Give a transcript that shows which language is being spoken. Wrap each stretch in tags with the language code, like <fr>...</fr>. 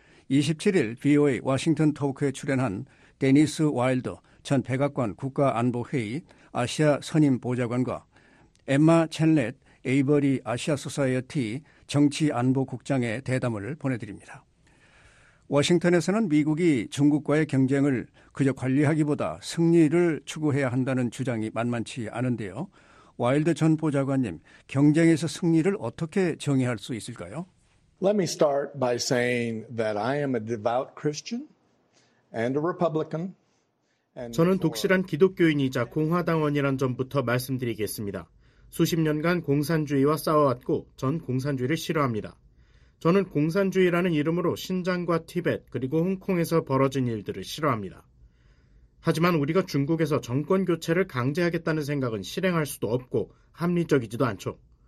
<ko>27일 VOA 워싱턴 토크에 출연한 데니스 와일더 전 백악관 국가안보회의 아시아 선임 보좌관과 엠마 첼렛 에이버리 아시아 소사이어티 정치안보국장의 대담을 보내드립니다. 워싱턴에서는 미국이 중국과의 경쟁을 그저 관리하기보다 승리를 추구해야 한다는 주장이 만만치 않은데요. 와일드 전 보좌관님, 경쟁에서 승리를 어떻게 정의할 수 있을까요?</ko> <en>Let me start by saying that I am a devout Christian and a Republican.</en> <ko>저는 독실한 기독교인이자 공화당원이란 점부터 말씀드리겠습니다. 수십 년간 공산주의와 싸워왔고 전 공산주의를 싫어합니다. 저는 공산주의라는 이름으로 신장과 티벳 그리고 홍콩에서 벌어진 일들을 싫어합니다. 하지만 우리가 중국에서 정권교체를 강제하겠다는 생각은 실행할 수도 없고 합리적이지도 않죠.</ko>